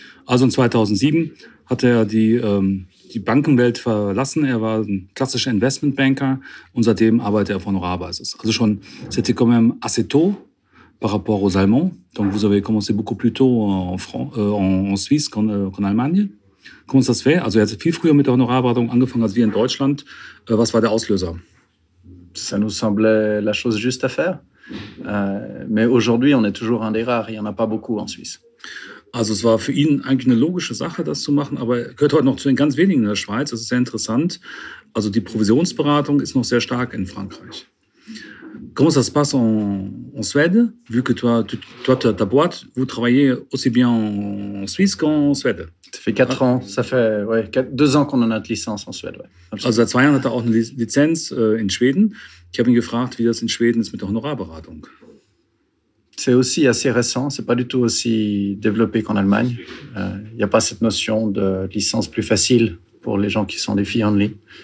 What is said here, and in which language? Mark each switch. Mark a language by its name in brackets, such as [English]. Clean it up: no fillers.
[German] Also in 2007 hat er die Bankenwelt verlassen. Er war ein klassischer Investmentbanker und seitdem arbeitet er auf Honorarbasis. Also schon, [French] c'était quand même assez tôt par rapport aux Allemands. Donc vous avez commencé beaucoup plus tôt en Suisse qu'en Allemagne. [German] Kommt uns das weh? Also er hat viel früher mit der Honorarberatung angefangen als wir in Deutschland. Was war der Auslöser? [French] Ça nous semblait la chose juste à faire. Mais aujourd'hui, on est toujours un des rares. Il n'y en a pas beaucoup en Suisse. [German] Also es war für ihn eigentlich eine logische Sache, das zu machen, aber er gehört heute noch zu den ganz wenigen in der Schweiz. Das ist sehr interessant. Also die Provisionsberatung ist noch sehr stark in Frankreich. [French] Comment ça se passe en Suède, vu que toi, ta boîte, vous travaillez aussi bien en Suisse qu'en Suède? Ça fait quatre ans, ça fait ouais, deux ans qu'on a notre licence en Suède. Ouais. [German] Also seit zwei Jahren hat er auch eine Lizenz in Schweden. Ich habe ihn gefragt, wie das in Schweden ist mit der Honorarberatung. [French] C'est aussi assez récent, c'est pas du tout aussi développé qu'en Allemagne. Il y a pas cette notion de licence plus facile pour les gens qui sont des fee only.